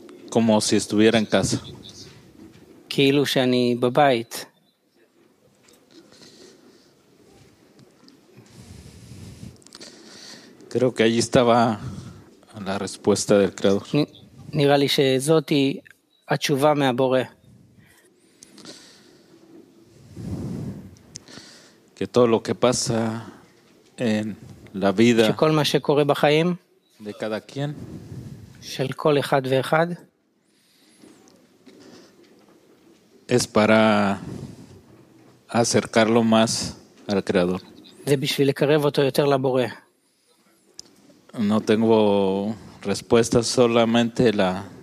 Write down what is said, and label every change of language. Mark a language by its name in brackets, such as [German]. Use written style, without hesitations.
[Spanish] Como si estuviera en casa. [Hebrew] כאילו שאני בבית. [Spanish] Creo que allí estaba la respuesta del creador. [Hebrew] נראה לי שזאת היא התשובה מהבורא. [Spanish] Que todo lo que pasa en la vida, [Hebrew] שכל מה שקורה בחיים, [Spanish] de cada quien, [Hebrew] של כל אחד ואחד, [Spanish] es para acercarlo más al creador. [Hebrew] זה בשביל לקרב אותו יותר לבורא. [Spanish] No tengo respuesta, solamente la